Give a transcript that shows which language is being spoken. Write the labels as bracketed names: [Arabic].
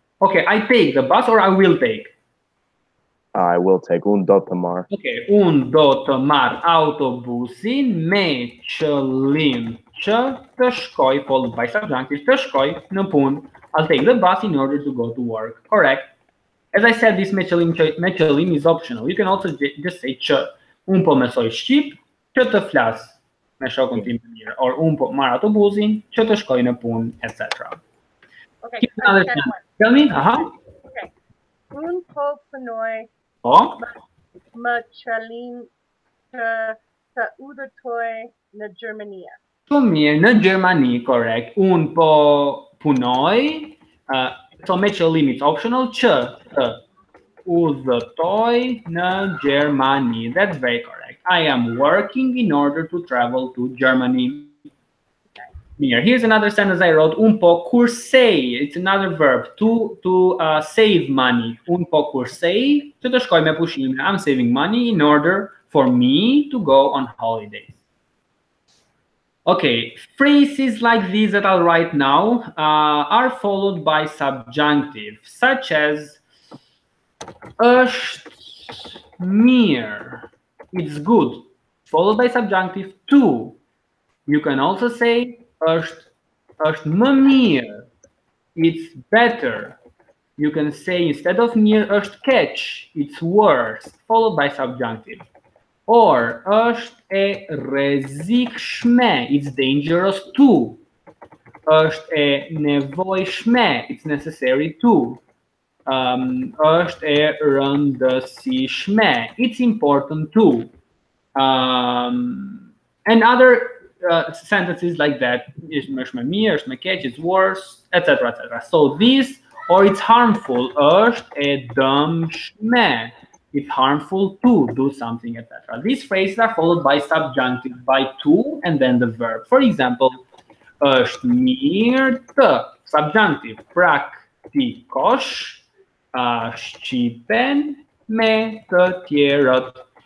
[English] I take the bus, or I will take. I will take [Albanian] un do të marr. Okay, un do të marr autobusin me qëllim që të shkoj, [English] followed by subjunctive, [Albanian] të shkoj në punë. [English] I'll take the bus in order to go to work. Correct. As I said, this me qëllim is optional. You can also just say që. [Albanian] Un po mësoj shqip që të flas me shokun tim të mirë, or un po marr autobusin që të shkoj në punë, etc. [English] Okay. Keep another one. Tell me. Aha. [Albanian] Okay. Un po punoj. Po? Më qëllim të udhëtoj në Gjermani. Shumë mirë, në Gjermani, korrekt. Unë po punoj, so me qëllim [English] it's optional, [Albanian] që të udhëtoj në Gjermani. [English] That's very correct. I am working in order to travel to Germany. Mirë, here's another sentence I wrote. [Albanian] Un po kursej, [English] it's another verb, to save money. [Albanian] Un po kursej, që të shkoj me pushime. [English] I'm saving money in order for me to go on holidays. Okay, phrases like these that I'll write now are followed by subjunctive, such as [Albanian] është mirë, [English] it's good, followed by subjunctive to. You can also say [Albanian] është më mirë, [English] it's better. You can say instead of mirë, [Albanian] është keq, [English] it's worse, followed by subjunctive. Or [Albanian] është e rrezikshme, [English] it's dangerous too. [Albanian] është e nevojshme, [English] it's necessary too. [Albanian] është e rëndësishme, [English] it's important too. And other sentences like that, [Albanian] është më mirë, është më keq, [English] it's worse, etc., etc. So this, or it's harmful, [Albanian] është e dëmshme, [English] it's harmful to do something, etc. These phrases are followed by subjunctive, by to, and then the verb. For example, [Albanian] është mirë të, [English] subjunctive, [Albanian] praktikosh, shqipen me të tjerët.